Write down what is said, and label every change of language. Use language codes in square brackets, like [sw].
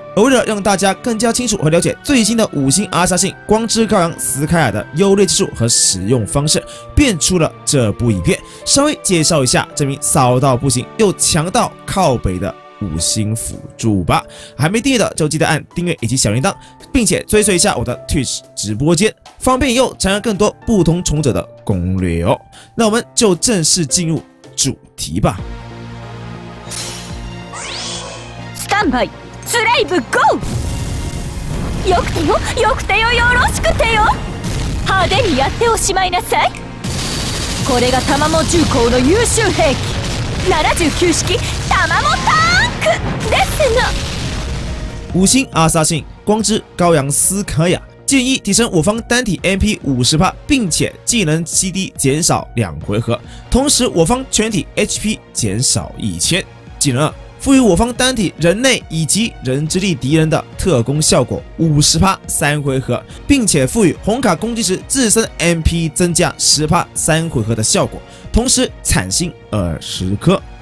[zh] 而为了让大家更加清楚和了解最新的五星阿萨信光之羔羊斯凯亚的优劣技术和使用方式，便出了这部影片，稍微介绍一下这名骚到不行又强到靠北的五星辅助吧。还没订阅的就记得按订阅以及小铃铛，并且追随一下我的 Twitch 直播间，方便以后参加更多不同宠者的攻略哦。那我们就正式进入主题吧。 [en] Standby。 [ja] スライブゴー、よくてよ、よくてよ、よろしくてよ、派手にやっておしまいなさい。これがタマモ重工の優秀兵器、79式タマモタンクですの。 [zh] 五星阿萨信光之羔羊斯凯亚建议提升我方单体 MP 50%，并且技能 CD 减少两回合，同时我方全体 HP 减少1000，技能赋予我方单体人类以及人之力敌人的特攻效果 50% 三回合，并且赋予红卡攻击时自身 MP 增加 10% 三回合的效果，同时产星20颗。